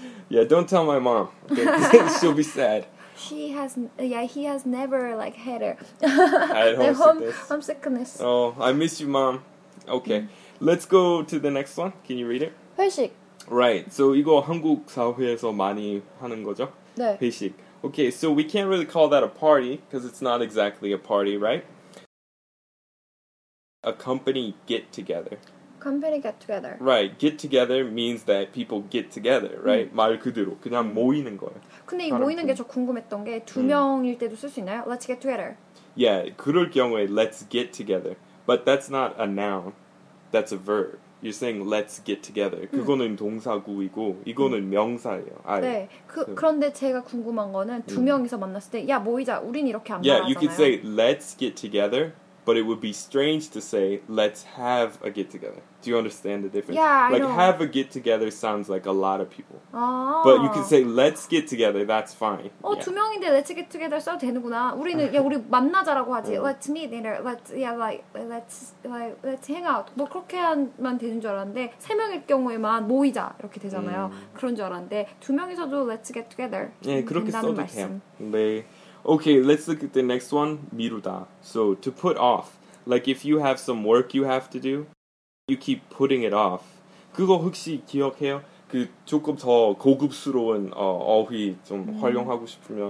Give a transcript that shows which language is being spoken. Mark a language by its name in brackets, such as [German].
[English] Yeah, don't tell my mom. Okay? She'll be sad. He has never like had her. At homesickness. Oh, I miss you, mom. Okay, let's go to the next one. Can you read it? [Korean] 회식. [English] Right. [Korean] So 이거 한국 사회에서 많이 하는 거죠? 네. 회식. [English] Okay. So we can't really call that a party because it's not exactly a party, right? A company get together. Company get together. Right. Get together means that people get together, right? [Korean] 말 그대로 그냥 모이는 거예요. 근데 이 모이는 게 저 궁금했던 게 두 명일 때도 쓸 수 있나요? [English] Let's get together. Yeah, [Korean] 그럴 경우에 [English] let's get together. But that's not a noun. That's a verb. You're saying let's get together. [Korean] 그거는 동사구이고 이거는 명사예요. 아예. 네. 그런데 제가 궁금한 거는 두 명이서 만났을 때 야, 모이자. 우린 이렇게 안 말하잖아요. [English] Yeah, you could say let's get together. But it would be strange to say, let's have a get-together. Do you understand the difference? Yeah, I like, know. Have a get-together sounds like a lot of people. Oh. But you can say, let's get together, that's fine. Oh, yeah. [Korean] 두 명인데 [English] let's get together [Korean] 써도 되는구나. 우리는, 야, 우리 만나자라고 하지. [English] Let's meet dinner. Let's, yeah, let's hang out. [Korean] 뭐 그렇게만 되는 줄 알았는데, 세 명일 경우에만 모이자, 이렇게 되잖아요. 그런 줄 알았는데, 두 명이서도 [English] let's get together. [Korean] 네, 그렇게 써도 돼요. 네. [English] Okay, let's look at the next one, [Korean] 미루다. [English] So, to put off. Like, if you have some work you have to do, you keep putting it off. [Korean] 그거 혹시 기억해요? 그 조금 더 고급스러운 어휘 좀 활용하고 싶으면